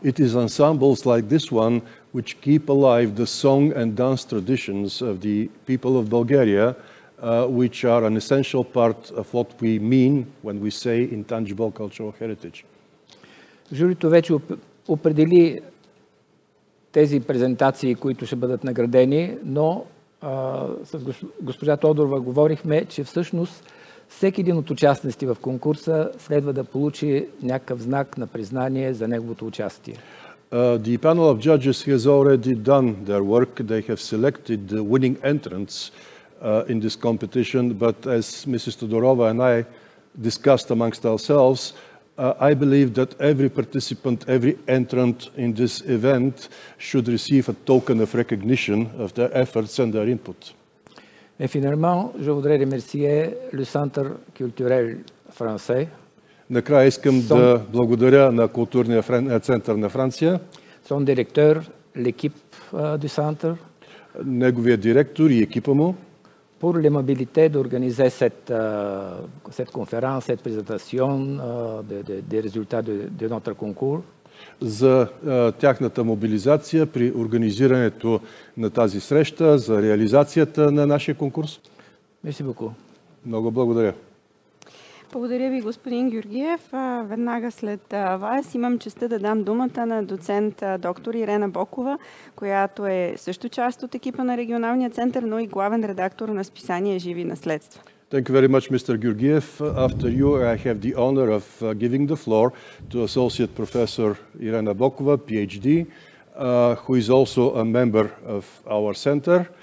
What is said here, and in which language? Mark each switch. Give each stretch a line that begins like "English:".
English: It is ensembles like this one which keep alive the song and dance traditions of the people of Bulgaria, which are an essential part of what we mean when we say intangible cultural heritage.
Bulgarian: Журито вече определи тези презентации, които ще бъдат наградени, но с госпожа Тодорова говорихме, че всъщност всеки един от участниците в конкурса следва да получи някакъв знак на признание за неговото участие.
English: The panel of judges has already done their work. They have selected the winning entrants in this competition, but as Mrs. Todorova and I discussed amongst ourselves, I believe that every participant, every entrant in this event should receive a token of recognition of their efforts and their input.
French: Finalement, je voudrais remercier le Centre culturel français.
Bulgarian: Накрая искам да благодаря на културния център на Франция.
French: Son directeur, l'équipe du centre.
Bulgarian: Неговия директор и екипа му.
French: pour les mobilités d'organiser cette, cette conférence, cette présentation des résultats de notre concours.
Bulgarian: За тяхната мобилизация при организирането на тази среща, за реализацията на нашия конкурс.
French: Merci beaucoup.
Bulgarian: Много благодаря. Благодаря ви, господин Георгиев. Веднага след вас имам честа да дам думата на доцент доктор Ирена Бокова, която е също част от екипа на Регионалния център, но и главен редактор на списание Живи наследства.
English: Thank you very much, Mr. Georgiev. After you, I have the honor of giving the floor to Associate Professor Irena Bokova, PhD, who is also a member of our center.